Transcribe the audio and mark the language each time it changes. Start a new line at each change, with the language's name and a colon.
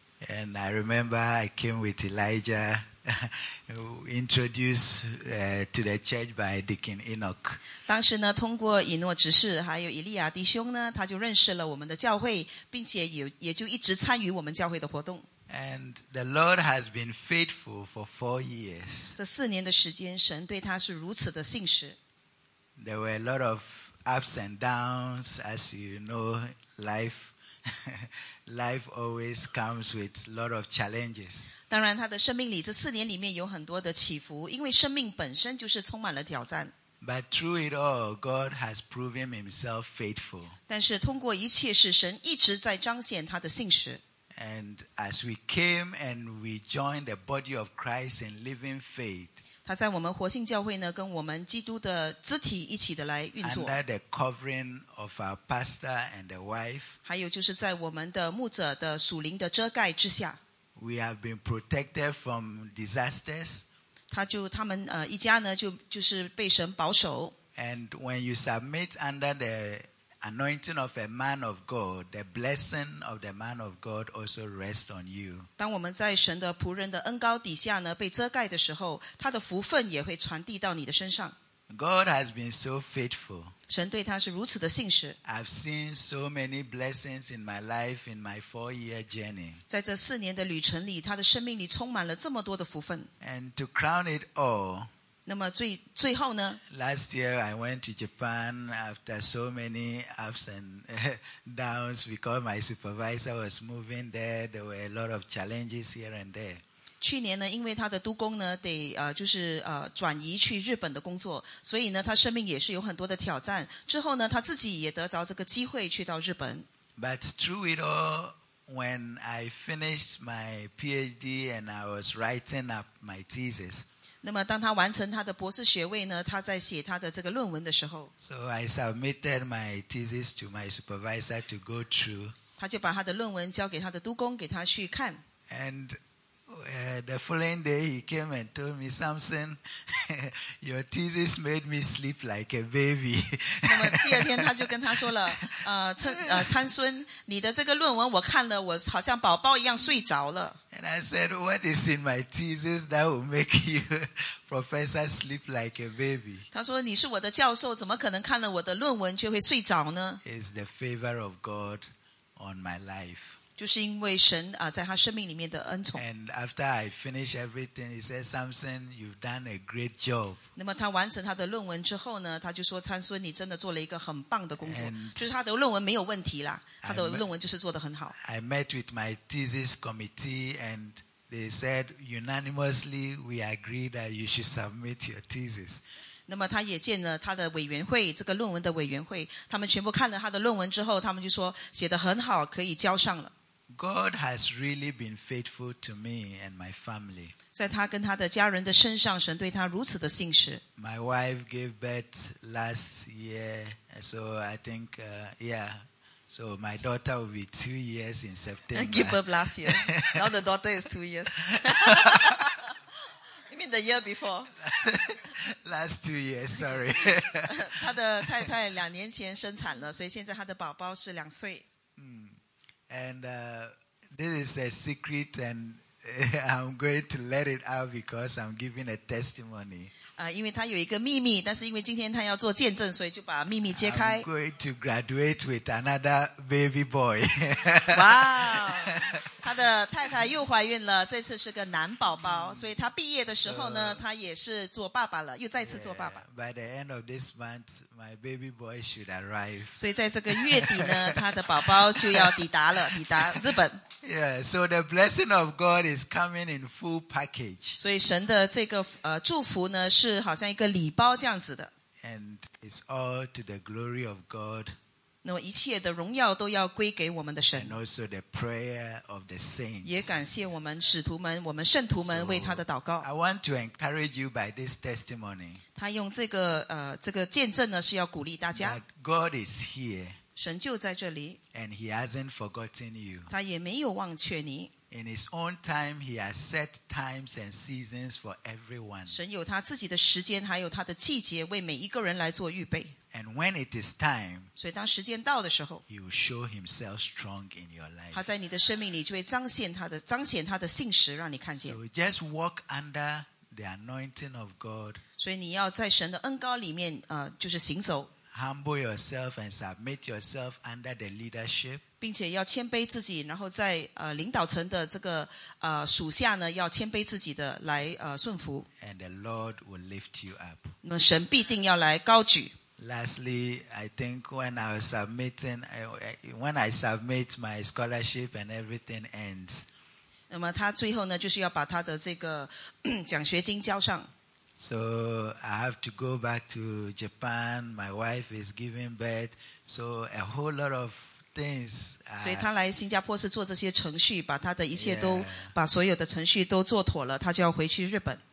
English: And I remember I came with Elijah, introduced to the church by Deacon Enoch.
Chinese: 当时呢, 通过以诺执事, 还有以利亚弟兄呢, 他就认识了我们的教会, 并且也就一直参与我们教会的活动。
English: And the Lord has been faithful for 4 years.
Chinese: 这4年的时间, 神对他是如此的信实。
English: There were a lot of ups and downs, as you know, life. Life always comes with a lot of challenges.
Chinese: 当然他的生命里, 这4年里面有很多的起伏, 因为生命本身就是充满了挑战。
English: But through it all, God has proven himself faithful.
Chinese: 但是通过一切事, 神一直在彰显他的信实。
English: And as we came and we joined the body of Christ in living faith,
Chinese: 他在我们活信教会呢, 跟我们基督的肢体一起的来运作,
English: under the covering of our pastor and the wife,
Chinese: 还有就是在我们的牧者的属灵的遮盖之下,
English: we have been protected from disasters.
Chinese: 他们一家呢, 就是被神保守,
English: and when you submit under the anointing of a man of God, the blessing of the man of God also rests on you.
Chinese: 当我们在神的仆人的恩膏底下呢, 被遮盖的时候, 他的福分也会传递到你的身上。
English: God has been so faithful.
Chinese: 神对他是如此的信实。
English: I've seen so many blessings in my life in my 4 year journey.
Chinese: 在这4年的旅程里, 他的生命里充满了这么多的福分。
English: And to crown it all,
Chinese: 那么最后呢?
English: Last year I went to Japan after so many ups and downs because my supervisor was moving there. There were a lot of challenges here and there.
Chinese: 去年呢, 因为他的督工呢, 得, 就是, 转移去日本的工作, 所以呢, 他生命也是有很多的挑战。之后呢, 他自己也得着这个机会去到日本。
English: But through it all, when I finished my PhD and I was writing up my thesis,
Chinese: 那么当他完成他的博士学位呢, 他在写他的这个论文的时候,
English: so I submitted my thesis to my supervisor to go through.
Chinese: 他就把他的论文交给他的督工, 给他去看。
English: And the following day he came and told me, Samson, your thesis made me sleep like a baby.
Chinese: 那么第二天他就跟他说了, 参孙, 你的这个论文我看了我好像宝宝一样睡着了。
English: And I said, what is in my thesis that will make you, professor, sleep like a baby?
Chinese: 他说你是我的教授, 怎么可能看了我的论文就会睡着呢?
English: It's the favor of God on my life.
Chinese: 就是因为神, 在他生命里面的恩宠。
English: And after I finished everything, he said, Samson, you've done a great job.
Chinese: 那么他完成他的论文之后呢, 他就说, 参孙, 你真的做了一个很棒的工作。就是他的论文没有问题啦, 他的论文就是做得很好。
English: I met with my thesis committee and they said, unanimously, we agree that you should submit your thesis.
Chinese: 那么他也见了他的委员会, 这个论文的委员会, 他们全部看了他的论文之后, 他们就说, 写得很好, 可以交上了。
English: God has really been faithful to me and my family.
Chinese: 在他跟他的家人的身上, 神对他如此的信实。
English: My wife gave birth last year, so I think, so my daughter will be 2 years in September. Give birth last year. Now the daughter is 2 years. You mean the year before? Last 2 years, sorry.
Chinese: 他的太太两年前生产了, 所以现在他的宝宝是两岁。
English: And this is a secret and I'm going to let it out because I'm giving a testimony.
Chinese: 因为他有一个秘密, 但是因为今天他要做见证, 所以就把秘密揭开。
English: I'm going to graduate with another baby boy. Wow!
Chinese: 他的太太又怀孕了, 这次是个男宝宝, 所以他毕业的时候呢, 他也是做爸爸了, 又再次做爸爸。
English: By the end of this month, my baby boy should arrive.
Chinese: 所以在这个月底呢, 他的宝宝就要抵达了, 抵达日本。
English: Yeah, so the blessing of God is coming in full package.
Chinese: 所以神的这个, 祝福呢, 是好像一个礼包这样子的。
English: And it's all to the glory of God.
Chinese: 那么一切的荣耀都要归给我们的神。
English: And also the prayer of the saints.
Chinese: 也感谢我们使徒们, 我们圣徒们,
English: so,
Chinese: 为他的祷告。
English: I want to encourage you by this testimony.
Chinese: 他用这个, 这个见证呢, 是要鼓励大家。
English: That God is here.
Chinese: 神就在这里。
English: And he hasn't forgotten you.
Chinese: 他也没有忘却你。
English: In his own time, he has set times and seasons for everyone.
Chinese: 神有他自己的时间，还有他的季节，为每一个人来做预备。
English: And when it is time,
Chinese: 所以当时间到的时候，
English: he will show himself strong in your life.
Chinese: 他在你的生命里就会彰显他的信实，让你看见。
English: So just walk under the anointing of God.
Chinese: 所以你要在神的恩膏里面，就是行走。
English: Humble yourself and submit yourself under the leadership.
Chinese: 并且要谦卑自己，然后在领导层的这个属下呢，要谦卑自己的来顺服。
English: And the Lord will lift you up.
Chinese: 那神必定要来高举。
English: Lastly, I think when I was submitting, when I submit my scholarship and everything ends.
Chinese: 那么他最后呢，就是要把他的这个奖学金交上。
English: So I have to go back to Japan. My wife is giving birth, so a whole lot of things.
Chinese: 所以他来新加坡是做这些程序，把他的一切都把所有的程序都做妥了，他就要回去日本。